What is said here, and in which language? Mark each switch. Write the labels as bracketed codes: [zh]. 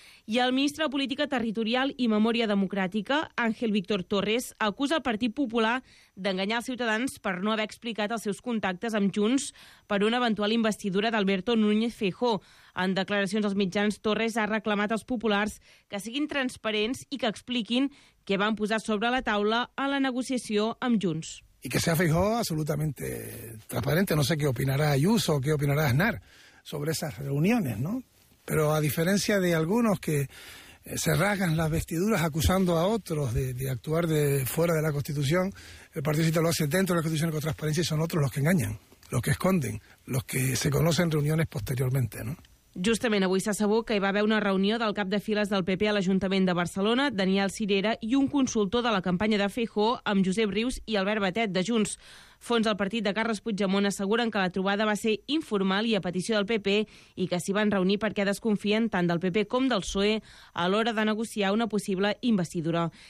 [ca] I el ministre de Política Territorial i Memòria Democràtica, Ángel Víctor Torres, acusa el Partit Popular d'enganyar els ciutadans per no haver explicat els seus contactes amb Junts per una eventual investidura d'Alberto Núñez Feijóo. En declaracions als mitjans, Torres ha reclamat als populars que siguin transparents i que expliquin què van posar sobre la taula a la negociació amb Junts. [es] Y que sea Feijóo absolutamente transparente. No sé qué opinará Ayuso o qué opinará Aznar sobre esas reuniones, ¿no? Pero a diferencia de algunos que se rasgan las vestiduras acusando a otros de actuar de fuera de la Constitución, el Partido Socialista lo hace dentro de la Constitución con transparencia y son otros los que engañan, los que esconden, los que se conocen reuniones posteriormente, ¿no? [ca] Justament avui s'ha sabut que hi va haver una reunió del cap de files del PP a l'Ajuntament de Barcelona, Daniel Cirera, i un consultor de la campanya de Feijóo amb Josep Rius i Albert Batet, de Junts. Fons del partit de Carles Puigdemont asseguren que la trobada va ser informal i a petició del PP i que s'hi van reunir perquè desconfien tant del PP com del PSOE a l'hora de negociar una possible investidura.